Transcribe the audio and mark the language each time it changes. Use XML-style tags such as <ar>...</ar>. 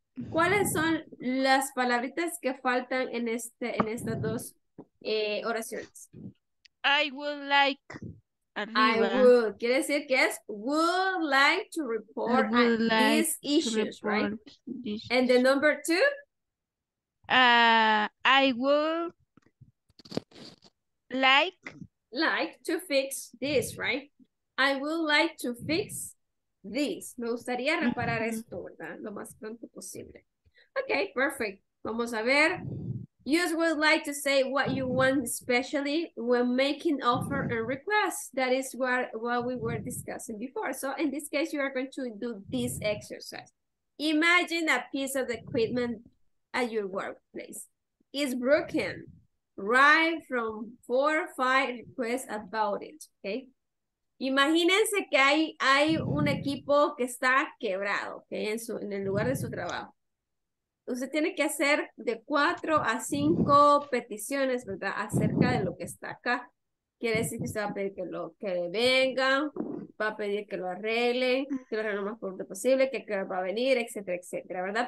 <es>¿Cuáles son las palabritas que faltan en estas dos oraciones?</es> <en>I would like. I would.</en> <es>Quiere decir que es</es> <en>would like to report these issues, right? And the number two? I would like. Like to fix this, right? I would like to fix. This.</en> <es>Me gustaría reparar esto, ¿verdad? Lo más pronto posible.</es> <en>Okay, perfect.</en> <es>Vamos a ver.</es> <en>You would like to say what you want, especially when making offer and request. That is what we were discussing before. So in this case, you are going to do this exercise. Imagine a piece of equipment at your workplace. It's broken. write from 4 or 5 requests about it, okay?</en> <es>Imagínense que hay un equipo que está quebrado, okay, en el lugar de su trabajo. Usted tiene que hacer de 4 a 5 peticiones, ¿verdad? Acerca de lo que está acá. Quiere decir que usted va a pedir que venga, va a pedir que lo arregle, que lo arregle lo más pronto posible, que va a venir, etcétera, etcétera, ¿verdad?</es>